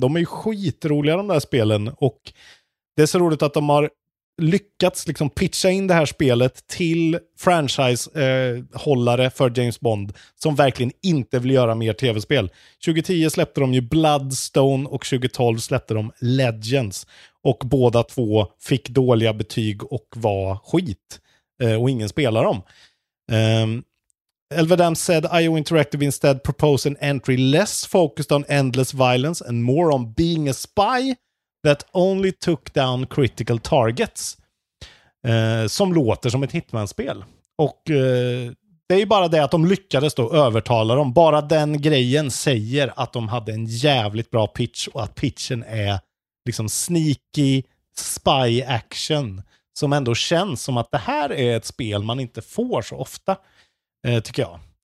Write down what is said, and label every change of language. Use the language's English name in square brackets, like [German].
[Swedish] De är ju skitroliga, de där spelen. Och det är så roligt att de har lyckats liksom pitcha in det här spelet till franchise-hållare för James Bond, som verkligen inte vill göra mer tv-spel. 2010 släppte de ju Bloodstone och 2012 släppte de Legends. Och båda två fick dåliga betyg och var skit. Och ingen spelar dem. [English] Elvedam said IO Interactive instead proposed an entry less focused on endless violence and more on being a spy that only took down critical targets. [Swedish] Som låter som ett Hitman-spel. Och det är ju bara det att de lyckades då övertala dem. Bara den grejen säger att de hade en jävligt bra pitch och att pitchen är liksom [English] sneaky spy action, [Swedish] som ändå känns som att det här är ett spel man inte får så ofta. Tycker jag.